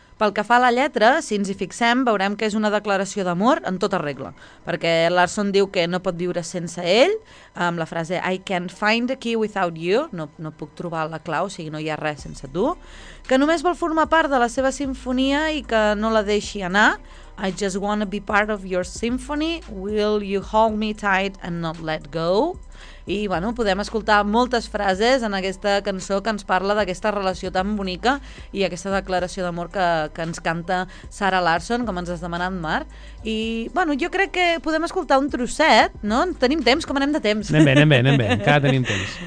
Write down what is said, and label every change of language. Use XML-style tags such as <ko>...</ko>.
<ca>Pel que fa a la lletra, si ens hi fixem, veurem que és una declaració d'amor en tota regla, perquè Larson diu que no pot viure sense ell, amb la frase</ca> <en>I can't find the key without you,</en> <ca>no puc trobar la clau, o sigui, no hi ha res sense tu, que només vol formar part de la seva sinfonia i que no la deixi anar.</ca> <en>I just wanna be part of your symphony, will you hold me tight and not let go?</en> <ca>I, bueno, podem escoltar moltes frases en aquesta cançó que ens parla d'aquesta relació tan bonica i aquesta declaració d'amor que ens canta Sarah Larson, com ens has demanat, Mar. I, bueno, jo crec que podem escoltar un trosset, no? Tenim temps? Com anem de temps? Anem bé, encara tenim temps.</ca>